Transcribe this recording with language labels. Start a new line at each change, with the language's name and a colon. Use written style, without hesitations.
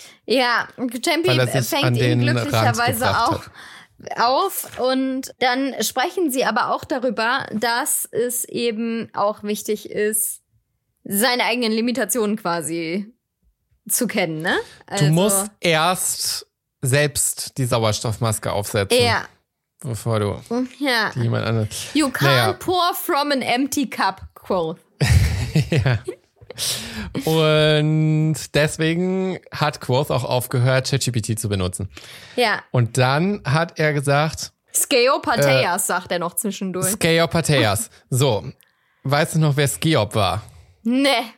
German: Ja, Tempi fängt ihn glücklicherweise auch auf und dann sprechen sie aber auch darüber, dass es eben auch wichtig ist, seine eigenen Limitationen quasi zu kennen, ne? Also du musst erst selbst die Sauerstoffmaske aufsetzen. Ja. Bevor du jemand anderes.
English: You can't pour from an empty cup, Quoth.
German: Ja. Und deswegen hat Quoth auch aufgehört, ChatGPT zu benutzen. Ja. Und dann hat er gesagt, Skeopateias, sagt er noch zwischendurch. Skeopateias. So, weißt du noch, wer Skeop war? Nee.